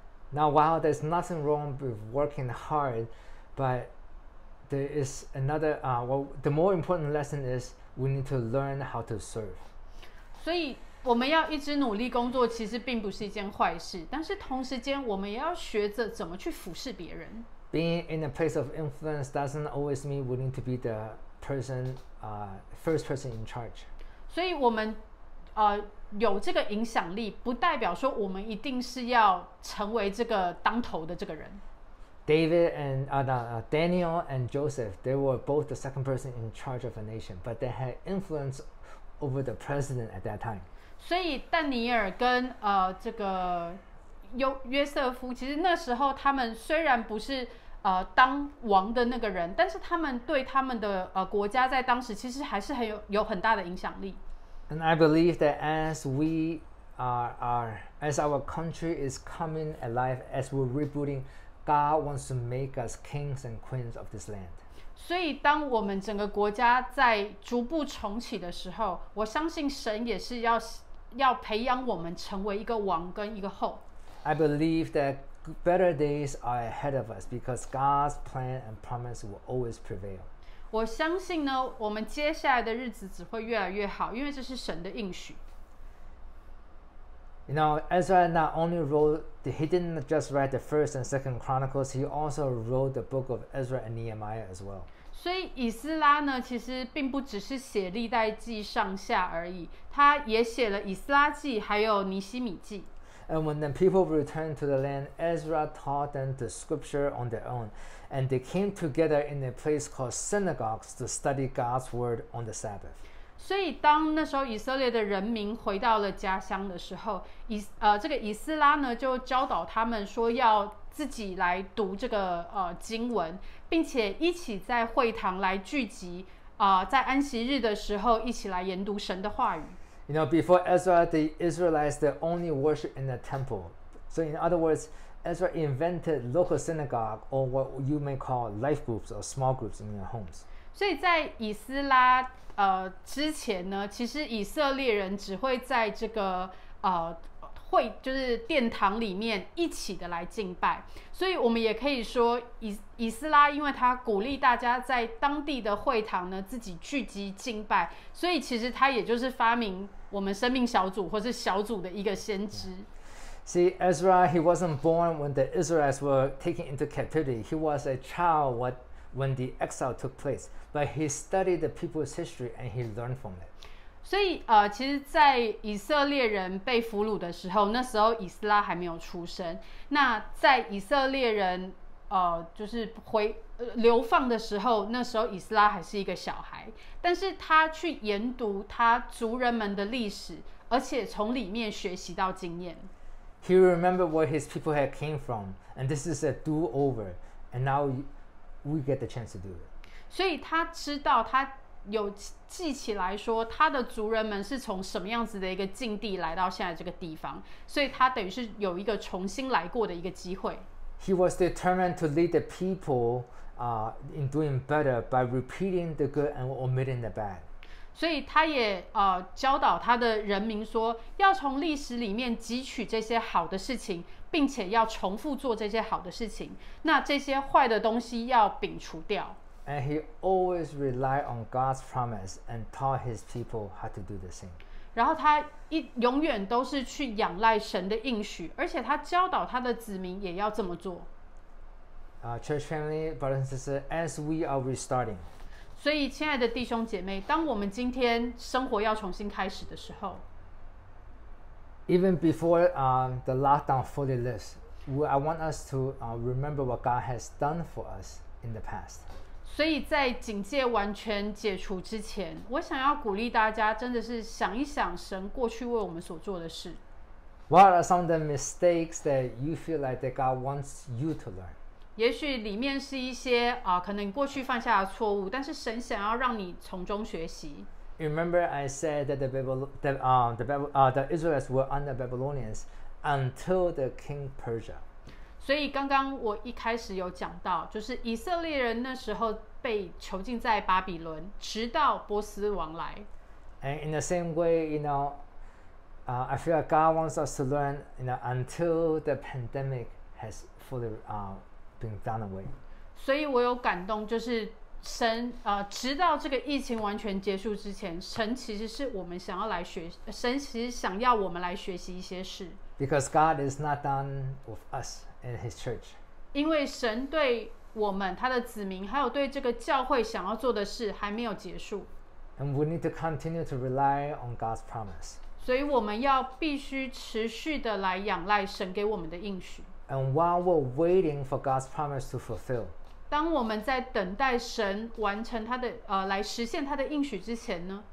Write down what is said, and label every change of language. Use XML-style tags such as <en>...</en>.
<en>Now, while there's nothing wrong with working hard, but there is another, the more important lesson is we need to learn how to serve.</en> <zh>所以我们要一直努力工作其实并不是一件坏事，但是同时间我们也要学着怎么去服侍别人。</zh> <en>Being in a place of influence doesn't always mean we need to be the person, first person in charge.</en> <zh>所以我们有这个影响力不代表说我们一定是要成为这个当头的这个人。</zh> <en>David and Daniel and Joseph, they were both the second person in charge of a nation, but they had influence over the president at that time.</en> <zh>所以但尼尔跟这个约瑟夫，其实那时候他们虽然不是当王的那个人，但是他们对他们的国家在当时其实还是有很大的影响力。</zh> <en>And I believe that as we as our country is coming alive, as we're rebooting. God wants to make us kings and queens of this land.</en> <zh>所以当我们整个国家在逐步重启的时候，我相信神也是要培养我们成为一个王跟一个后。</zh> <en>I believe that better days are ahead of us because God's plan and promise will always prevail.</en> <zh>我相信呢，我们接下来的日子只会越来越好，因为这是神的应许。</zh> <en>You know, Ezra not only wrote, he didn't just write the first and second chronicles, he also wrote the book of Ezra and Nehemiah as well.</en> <zh>所以以斯拉呢，其实并不只是写历代记上下而已，他也写了以斯拉记还有尼希米记。</zh> <en>And when the people returned to the land, Ezra taught them the scripture on their own, and they came together in a place called synagogues to study God's word on the Sabbath.</en> <zh>所以当那时候以色列的人民回到了家乡的时候，这个以斯拉呢就教导他们说要自己来读这个经文，并且一起在会堂来聚集，在安息日的时候一起来研读神的话语。</zh> <en>You know, before Ezra, the Israelites, they only worship in the temple. So in other words, Ezra invented local synagogue or what you may call life groups or small groups in your homes.</en> <zh>所以在以斯拉之前呢，其实以色列人只会在这个会就是殿堂里面一起的来敬拜，所以我们也可以说以斯拉因为他鼓励大家在当地的会堂呢自己聚集敬拜，所以其实他也就是发明我们生命小组或是小组的一个先知。</zh> <en>See, Ezra, he wasn't born when the Israelites were taken into captivity. He was a child when the exile took place. But he studied the people's history and he learned from it.</en> <zh>所以其实在以色列人被俘虏的时候，那时候以斯拉还没有出生。那在以色列人就是流放的时候，那时候以斯拉还是一个小孩。但是他去研读他族人们的历史，而且从里面学习到经验。</zh> <en>He remembered where his people had came from, and this is a do-over, and now we get the chance to do it.</en> <zh>所以他知道他有记起来说他的族人们是从什么样子的一个境地来到现在这个地方，所以他等于是有一个重新来过的一个机会。</zh> <en>He was determined to lead the people, in doing better by repeating the good and omitting the bad.</en> <zh>所以他也教导他的人民说，要从历史里面汲取这些好的事情，并且要重复做这些好的事情，那这些坏的东西要摒除掉。</zh> <en>And he always relied on God's promise and taught his people how to do the same.</en> <zh>然后他永远都是去仰赖神的应许，而且他教导他的子民也要这么做。</zh> <en>Church family, brothers and sisters, as we are restarting.</en> <zh>所以亲爱的弟兄姐妹，当我们今天生活要重新开始的时候，</zh> <en>Even before the lockdown fully lifts, I want us to remember what God has done for us in the past.</en> <zh>所以在警戒完全解除之前，我想要鼓励大家真的是想一想神过去为我们所做的事。</zh> <en>What are some of the mistakes that you feel like that God wants you to learn?</en> <zh>也许里面是一些可能过去犯下的错误，但是神想要让你从中学习。</zh> <en>Remember I said that the Israelites were under Babylonians until the king Persia.</en> <zh>所以刚刚我一开始有讲到，就是以色列人那时候被囚禁在巴比伦，直到波斯王来。</zh> <en>And in the same way, you know, I feel like God wants us to learn, you know, until the pandemic has fully been done away.</en> <zh>所以我有感动，就是神直到这个疫情完全结束之前，神其实是我们想要来学，神其实想要我们来学习一些事。</zh> <en>Because God is not done with us. And his church.</en> <zh>因为神对我们他的子民还有对这个教会想要做的事还没有结束。</zh> <en>And we need to continue to rely on God's promise.</en> <zh>所以我们要必须持续的来仰赖神给我们的应许。</zh> <en>And while we're waiting for God's promise to fulfill,</en> <zh>当我们在等待神完成他的来实现他的应许之前呢，</zh>